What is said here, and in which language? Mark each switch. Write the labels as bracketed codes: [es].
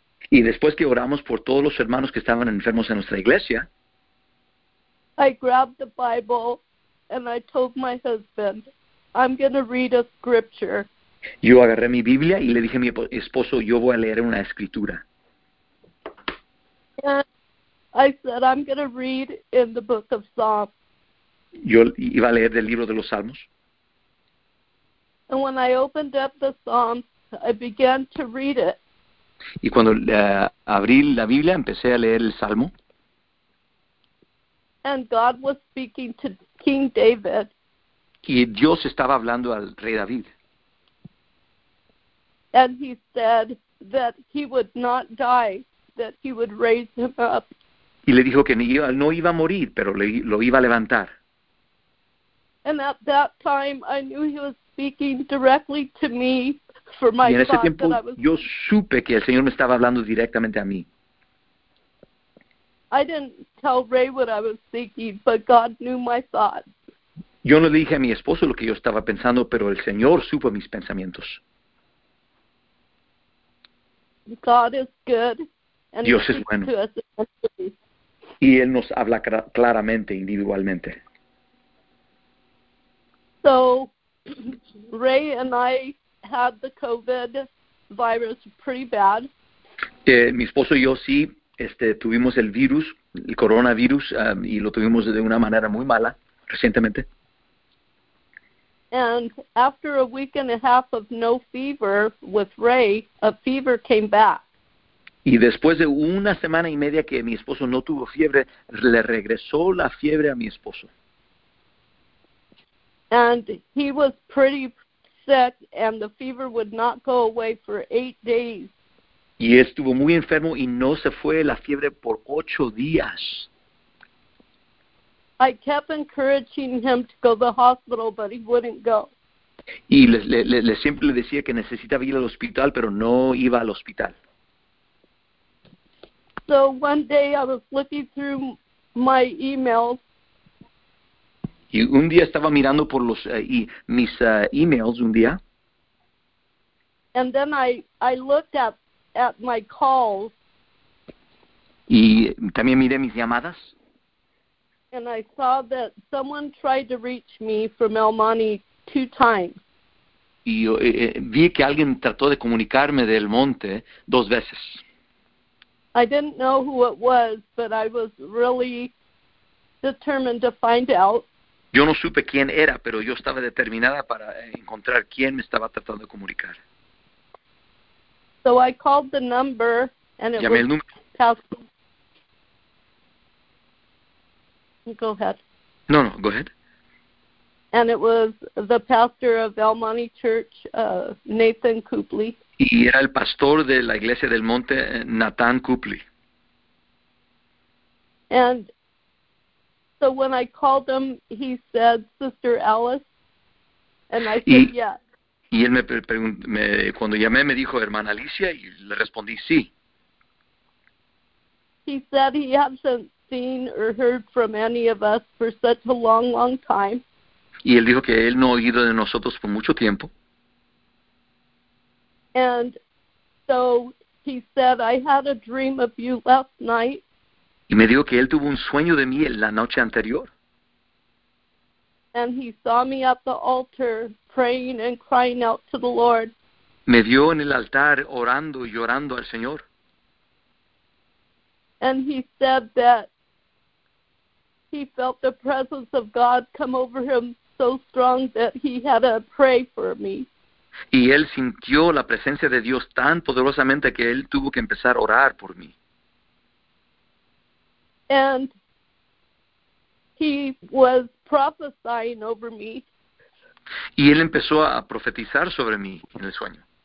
[es] y después que oramos por todos los hermanos que estaban enfermos en nuestra iglesia, [en] I grabbed the Bible and I told my husband, I'm going to read a scripture. [es] Yo agarré mi Biblia y le dije a mi esposo, yo voy a leer una escritura. [en] And I said, I'm going to read in the book of Psalms. [es] Yo iba a leer del libro de los Salmos. [en] And when I opened up the Psalms, I began to read it. [es] Y cuando abrí la Biblia, empecé a leer el Salmo. [en] And God was speaking to King David. [es] Y Dios estaba hablando al rey David. [en] and he said that he would not die, that he would raise him up. [es] Y le dijo que no iba a morir, pero lo iba a levantar. [en] And at that time, I knew he was speaking directly to me for my thought that I was... [es] Y en ese tiempo, yo supe que el Señor me estaba hablando directamente a mí. [en] I didn't tell Ray what I was thinking, but God knew my thought. [es] Yo no le dije a mi esposo lo que yo estaba pensando, pero el Señor supo mis pensamientos. [en] God is good, and [es] Dios [en] he [es] es bueno. [en] To us. [es] Y Él nos habla claramente, individualmente. [en] So, Ray and I had the COVID virus pretty bad. [es] Mi esposo y yo sí tuvimos el virus, el coronavirus, y lo tuvimos de una manera muy mala recientemente. [en] And after a week and a half of no fever with Ray, a fever came back. [es] Y después de una semana y media que mi esposo no tuvo fiebre, le regresó la fiebre a mi esposo. [en] And he was pretty sick, and the fever would not go away for 8 days. [es] Y estuvo muy enfermo y no se fue la fiebre por 8 días. [en] I kept encouraging him to go to the hospital, but he wouldn't go. [es] Y le siempre le decía que necesitaba ir al hospital, pero no iba al hospital. [en] So one day I was looking through my emails. [es] Y un día estaba mirando por los mis emails un día. [en] And then I looked at my calls. [es] Y también miré mis llamadas. [en] And I saw that someone tried to reach me from El Monte 2 times. [es] Y yo vi que alguien trató de comunicarme del monte 2 veces. [en] I didn't know who it was, but I was really determined to find out. [es] Yo no supe quién era, pero yo estaba determinada para encontrar quién me estaba tratando de comunicar. [en] So I called the number, and it [es] llamé el número. [en] Go ahead. No, go ahead. And it was the pastor of El Monte Church, Nathan Coupley. [es] Y era el pastor de la iglesia del monte, Nathan Coupley. [en] And so when I called him, he said, Sister Alice. And I said, yeah. [es] Y él me cuando llamé, me dijo, Hermana Alicia, y le respondí, sí. [en] He said he hasn't seen or heard from any of us for such a long, long time. [es] Y él dijo que él no ha oído de nosotros por mucho tiempo. [en] And so he said, I had a dream of you last night. [es] Y me dijo que él tuvo un sueño de mí en la noche anterior. [en] And he saw me at the altar praying and crying out to the Lord. [es] Me vio en el altar orando y llorando al Señor. [en] And he said that he felt the presence of God come over him so strong that he had to pray for me. [es] Y él sintió la presencia de Dios tan poderosamente que él tuvo que empezar a orar por mí. [en] And he was prophesying over me. [es] Y él empezó a profetizar sobre mí en el sueño.